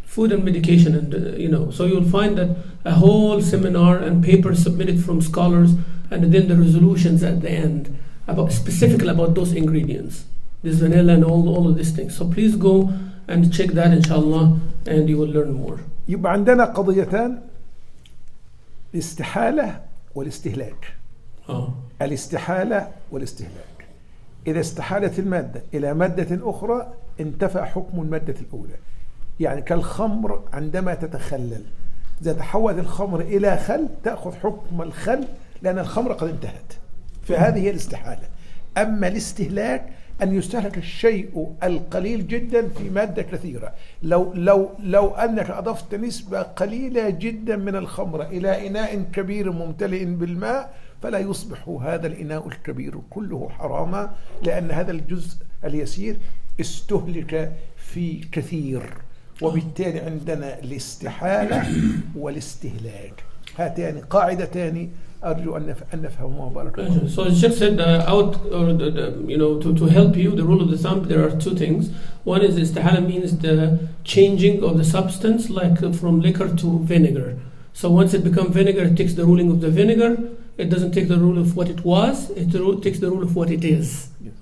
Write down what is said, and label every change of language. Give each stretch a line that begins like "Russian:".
English: Food and medication, and you know. So you'll find that a whole seminar and paper submitted from scholars, and then the resolutions at the end, about specifically about those ingredients, this vanilla and all of these things. So please go and check that, inshallah, and you will learn more.
Arabic: يبع عندنا قضيتان الاستحالة والاستهلاك. الاستحالة والاستهلاك. إذا استحالت المادة إلى مادة أخرى انتفى حكم المادة الأولى. يعني كالخمر عندما تتخلل، إذا تحول الخمر إلى خل تأخذ حكم الخل لأن الخمر قد انتهت، فهذه هي الاستحالة. أما الاستهلاك أن يستهلك الشيء القليل جدا في مادة كثيرة. لو لو لو أنك أضفت نسبة قليلة جدا من الخمر إلى إناء كبير ممتلئ بالماء فلا يصبح هذا الإناء الكبير كله حراما، لأن هذا الجزء اليسير استهلك في كثير، وبالتالي عندنا الاستحالة والاستهلاك، هاتان قاعدتان أرجو أن نفهمهما. بارك الله.
English: So the Sheikh said out or the, you know to help you, the rule of the thumb, there are two things. One is استحالة means the changing of the substance like from liquor to vinegar. So once it becomes vinegar, it takes the ruling of the vinegar. It doesn't take the rule of what it was, it takes the rule of what it is. Yes.